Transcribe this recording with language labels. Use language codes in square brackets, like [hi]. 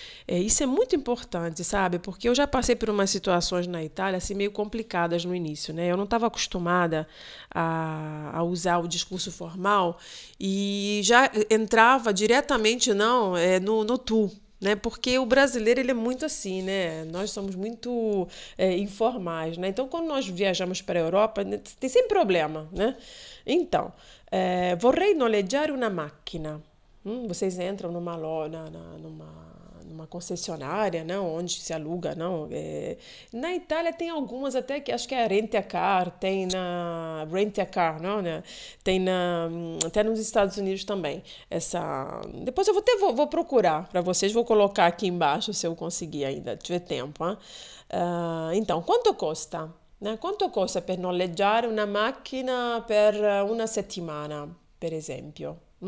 [pt] Isso é muito importante, sabe? Porque eu já passei por umas situações na Itália, assim, meio complicadas no início, né? Eu não estava acostumada a usar o discurso formal e já entrava diretamente, não, no tu. Né? Porque o brasileiro ele é muito assim, né? Nós somos muito informais, né? Então, quando nós viajamos para a Europa, né, tem sempre problema, né? [it] Então, vorrei noleggiare una macchina. [pt] Vocês entram numa loja, numa concessionária, né? Onde se aluga, não? Na Itália tem algumas até que acho que é a Rent-a-Car, tem na Rent-a-Car, não, né? Tem na até nos Estados Unidos também. Essa depois eu vou procurar para vocês, vou colocar aqui embaixo se eu conseguir ainda tiver tempo, então, quanto custa, né? Quanto custa [it] per noleggiare una macchina per una settimana, per esempio?